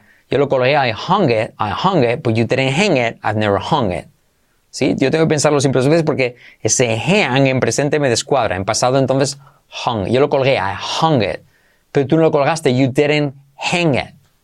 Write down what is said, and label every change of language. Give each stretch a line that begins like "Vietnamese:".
Spanish: Yo lo colgué,
English: I hung it, but you didn't hang it, I've never hung it.
Spanish: ¿Sí? Yo tengo que pensarlo siempre dos veces porque ese hang en presente me descuadra. En pasado, entonces, hung. Yo lo colgué,
English: I hung it.
Spanish: Pero tú no lo colgaste,
English: you didn't hang it.